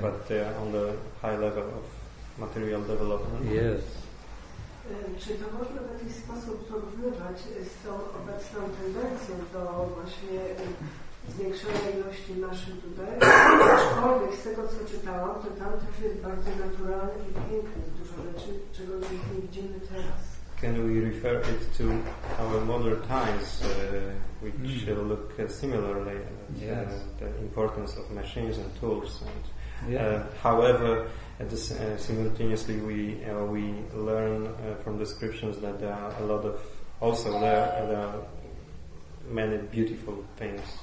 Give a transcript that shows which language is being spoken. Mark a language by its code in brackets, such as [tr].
[en] But they are on the high level of material development. Yes. [pl] Czy to można w jakiś sposób porównywać z tą obecną tendencją do właśnie zwiększenia ilości maszyn tutaj? Aczkolwiek z tego, co czytałam, to tam też jest bardzo naturalne i piękne dużo rzeczy, czego już nie widzimy teraz. [en] Can we refer it to our modern times, which look similarly at the importance of machines and tools? And, however, simultaneously, we learn from descriptions that there are a lot of also there are many beautiful things